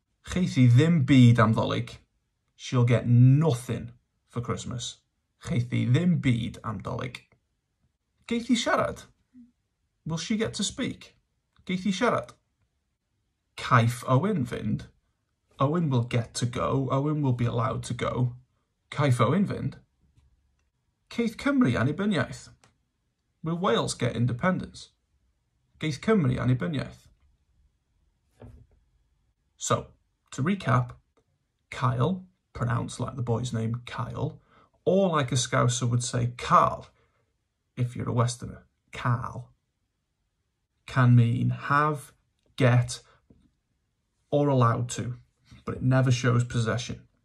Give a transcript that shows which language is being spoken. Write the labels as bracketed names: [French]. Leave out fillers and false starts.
[Welsh] Cheithi ddim byd am ddolig. [English] She'll get nothing for Christmas. [Welsh] Cheithi ddim byd am ddolig. Geithi siarad. [English] Will she get to speak? [Welsh] Geithi siarad. Caiff Owen fynd. [English] Owen will get to go. Owen will be allowed to go. [Welsh] Caiff Owen fynd. Caith Cymru annibyniaeth. [English] Will Wales get independence? [Welsh] Geith Cymru annibyniaeth. [English] So, to recap, CAEL, pronounced like the boy's name, CAEL, or like a Scouser would say, CAEL, if you're a Westerner, CAEL, can mean have, get, or allowed to, but it never shows possession.